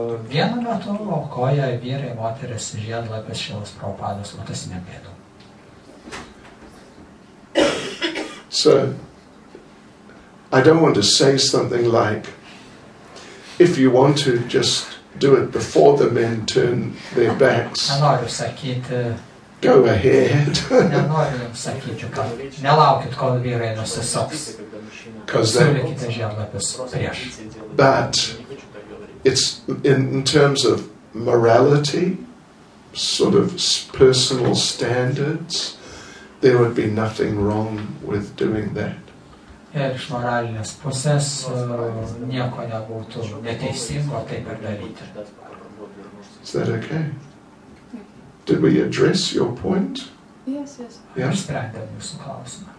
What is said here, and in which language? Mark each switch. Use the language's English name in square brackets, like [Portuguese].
[Lithuanian] Vienu metu aukoja vyrai, moteris, žiedlapis, šilas, Prabhupadas, o tas nebėdų. [English] So, I don't want to say something like, if you want to just do it before the men turn their backs. [Lithuanian] Nenoriu sakyti, [English] go ahead. [Lithuanian] Nenoriu jums sakyti, kad nelaukit, kol vyrai nusisoks. Siūlykite žiedlapis prieš. [English] But it's in terms of morality, sort of personal standards, there would be nothing wrong with doing that. [Lithuanian] Ir iš moralinės pusės nieko nebūtų neteisingo taip ir daryti. [English] Is that okay? Did we address your point? Yes, yes. Yeah? [Lithuanian] Išsprendėm jūsų klausimą.